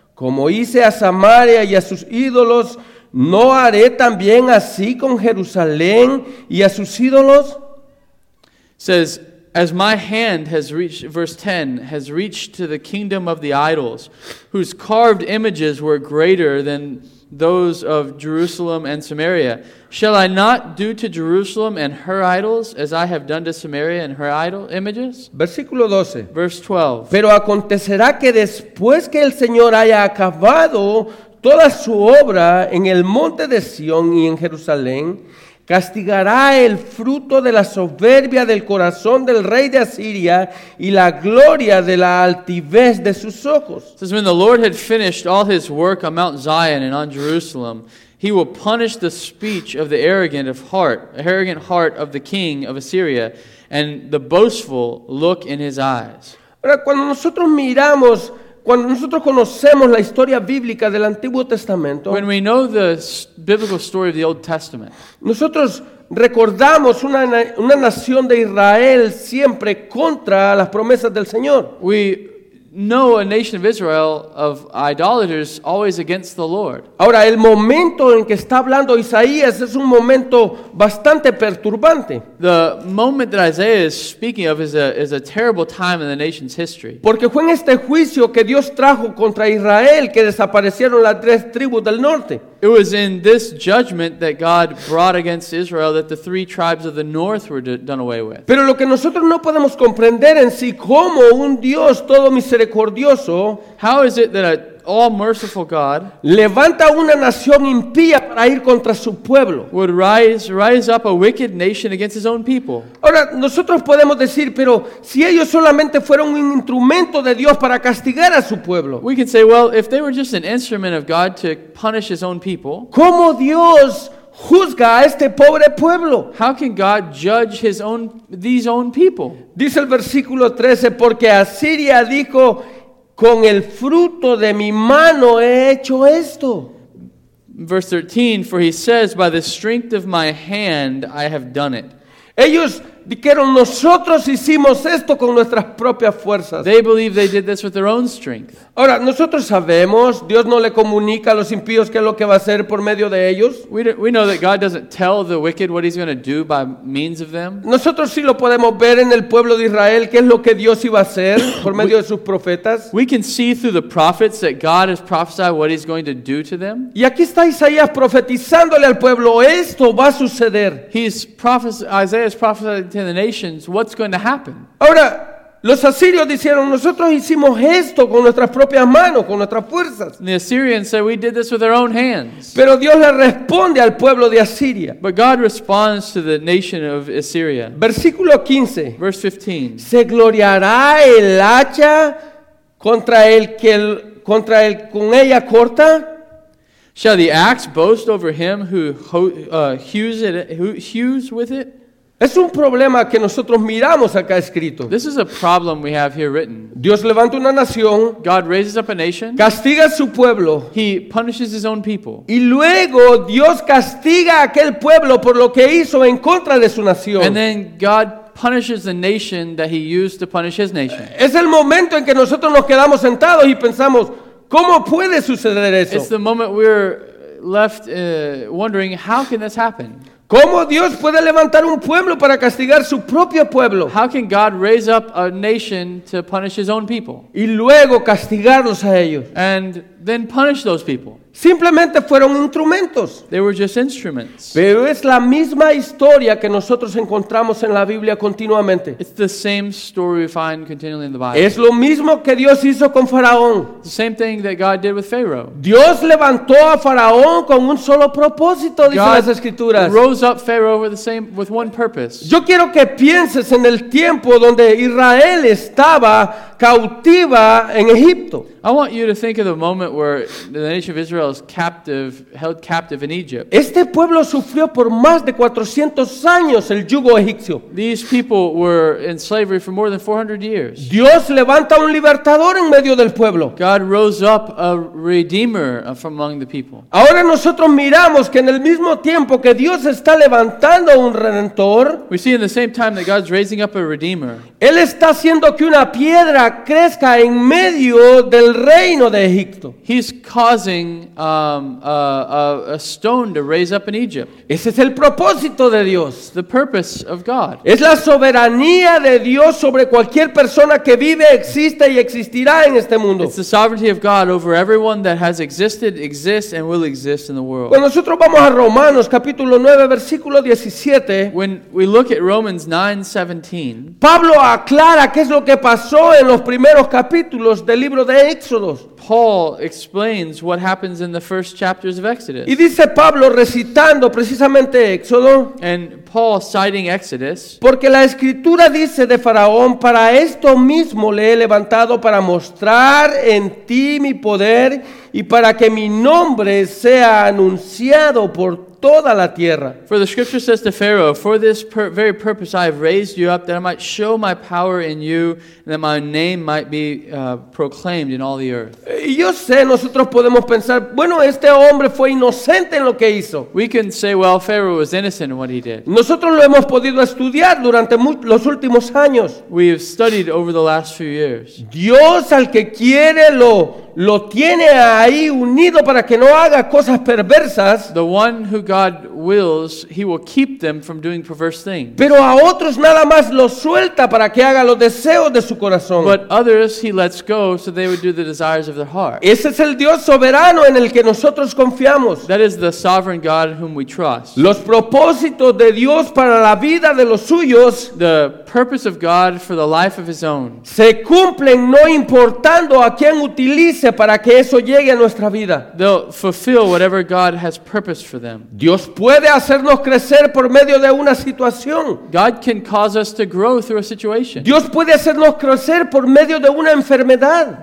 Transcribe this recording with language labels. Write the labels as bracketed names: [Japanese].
[Spanish] Como hice a Samaria y a sus ídolos, ¿no haré también así con Jerusalén y a sus ídolos? [English] Says, as my hand has reached, verse 10, has reached to the kingdom of the idols, whose carved images were greater than those of Jerusalem and Samaria, shall I not do to Jerusalem and her idols as I have done to Samaria and her idol images? [Spanish] Versículo 12. [English] Verse 12. [Spanish] Pero acontecerá que después que el Señor haya acabado toda su obra en el monte de Sion y en Jerusalén, castigará el fruto de la soberbia del corazón del rey de Asiria y la gloria de la altivez de sus ojos. [English] It says, when the Lord had finished all his work on Mount Zion and on Jerusalem, he will punish the speech of the arrogant of heart, arrogant heart of the king of Assyria, and the boastful look in his eyes. [Spanish] Ahora, cuando nosotros miramos, cuando nosotros conocemos la historia bíblica del Antiguo Testamento, [English] when we know the biblical story of the Old Testament, [Spanish] nosotros recordamos una nación de Israel siempre contra las promesas del Señor. [English] We know a nation of Israel of idolaters always against the Lord. [Spanish] Ahora, el momento en que está hablando Isaías es un momento bastante perturbante. [English] The moment that Isaiah is speaking of is a terrible time in the nation's history. [Spanish] Porque fue en este juicio que Dios trajo contra Israel que desaparecieron las tres tribus del norte. [English] It was in this judgment that God brought against Israel that the three tribes of the north were done away with. [Spanish] Pero lo que nosotros no podemos comprender en sí, cómo un Dios todo misericordioso, [English] how is it that an all-merciful God [Spanish] levanta una nación impía para ir contra su pueblo, [English] would rise up a wicked nation against his own people? [Spanish] Ahora, nosotros podemos decir, pero si ellos solamente fueron un instrumento de Dios para castigar a su pueblo, [English] we can say, well, if they were just an instrument of God to punish his own people, [Spanish] ¿cómo Dios juzga a este pobre pueblo? [English] How can God judge these own people? [Spanish] Dice el versículo 13, porque Asiria dijo, con el fruto de mi mano he hecho esto. [English] Verse 13, for he says, by the strength of my hand I have done it. [Spanish] Ellos dijeron, nosotros hicimos esto con nuestras propias fuerzas. [English] They believe they did this with their own strength. [Spanish] Ahora, nosotros sabemos, Dios no le comunica a los impíos qué es lo que va a hacer por medio de ellos. [English] We know that God doesn't tell the wicked what he's going to do by means of them. [Spanish] Nosotros sí lo podemos ver en el pueblo de Israel, qué es lo que Dios iba a hacer por medio de sus profetas. [English] We can see through the prophets that God has prophesied what he's going to do to them. [Spanish] Y aquí está Isaías profetizándole al pueblo, esto va a suceder. [English] Isaías prophesied to the nations what's going to happen. [Spanish] Ahora, los asirios dijeron, nosotros hicimos esto con nuestras propias manos, con nuestras fuerzas. [English] The Assyrians said, we did this with our own hands. [Spanish] Pero Dios le responde al pueblo de Asiria. [English] But God responds to the nation of Assyria. [Spanish] Versículo 15. [English] Verse 15. [Spanish] Se gloriará el hacha contra el con ella corta. [English] Shall the axe boast over him who hews with it? [Spanish] Es un problema que nosotros miramos acá escrito. [English] This is a problem we have here written. [Spanish] Dios levanta una nación. [English] God raises up a nation. [Spanish] Castiga a su pueblo. [English] He punishes his own people. [Spanish] Y luego Dios castiga a aquel pueblo por lo que hizo en contra de su nación. [English] And then God punishes the nation that he used to punish his nation. [Spanish] Es el momento en que nosotros nos quedamos sentados y pensamos, ¿cómo puede suceder eso? [English] It's the moment we're left wondering, how can this happen? [Spanish] ¿Cómo Dios puede levantar un pueblo para castigar su propio pueblo? [English] How can God raise up a nation to punish his own people? [Spanish] Y luego castigarlos a ellos. [English] And then punish those people. [Spanish] Simplemente fueron instrumentos. [English] They were just instruments. [Spanish] Pero es la misma historia que nosotros encontramos en la Biblia continuamente. [English] It's the same story we find continually in the Bible. [Spanish] Es lo mismo que Dios hizo con Faraón. [English] The same thing that God did with Pharaoh. [Spanish] Dios levantó a Faraón con un solo propósito, dicen las Escrituras. [English] God rose up Pharaoh with one purpose. [Spanish] Yo quiero que pienses en el tiempo donde Israel estaba cautiva en Egipto. [English] I want you to think of the moment where the nation of Israel is captive, held captive in Egypt. [Spanish] Este pueblo sufrió por más de 400 años el yugo egipcio. [English] These people were in slavery for more than 400 years. [Spanish] Dios levanta un libertador en medio del pueblo. [English] God rose up a redeemer from among the people. [Spanish] Ahora nosotros miramos que en el mismo tiempo que Dios está levantando un redentor, [English] we see in the same time that God's raising up a redeemer, [Spanish] él está haciendo que una piedra crezca en medio del reino de Egipto. [English] He's causing a stone to raise up in Egypt. [Spanish] Ese es el propósito de Dios. [English] The purpose of God. [Spanish] Es la soberanía de Dios sobre cualquier persona que vive, existe y existirá en este mundo. [English] It's the sovereignty of God over everyone that has existed, exists, and will exist in the world. [Spanish] Cuando nosotros vamos a Romanos capítulo 9 versículo 17, [English] when we look at Romans 9:17, [Spanish] Pablo aclara qué es lo que pasó en los primeros capítulos del libro de Éxodos. [English] Paul explains what happens in the first chapters of Exodus. [Spanish] Y dice Pablo recitando precisamente Éxodo. [English] And Paul citing Exodus. [Spanish] Porque la escritura dice de Faraón, para esto mismo le he levantado, para mostrar en ti mi poder y para que mi nombre sea anunciado por toda la tierra. [English] For the scripture says to Pharaoh, for this very purpose I have raised you up, that I might show my power in you, and that my name might be proclaimed in all the earth. [Spanish] Yo sé, nosotros podemos pensar, bueno, este hombre fue inocente en lo que hizo. [English] We can say, well, Pharaoh was innocent in what he did. [Spanish] Nosotros lo hemos podido estudiar durante los últimos años. [English] We have studied over the last few years. [Spanish] Dios al que quiere lo tiene ahí unido para que no haga cosas perversas. [English] The one who God wills, he will keep them from doing perverse things. [Spanish] Pero a otros nada más lo suelta para que haga los deseos de su corazón. [English] But others he lets go so they would do the desires of their heart. [Spanish] Ese es el Dios soberano en el que nosotros confiamos. [English] That is the sovereign God in whom we trust. [Spanish] Los propósitos de Dios para la vida de los suyos, [English] the purpose of God for the life of his own, [Spanish] se cumplen no importando a quién utilice para que eso llegue a nuestra vida. [English] They'll fulfill whatever God has purposed for them. [Spanish] Dios puede hacernos crecer por medio de una situación. [English] God can cause us to grow through a situation. [Spanish] Dios puede hacernos crecer por medio de una enfermedad.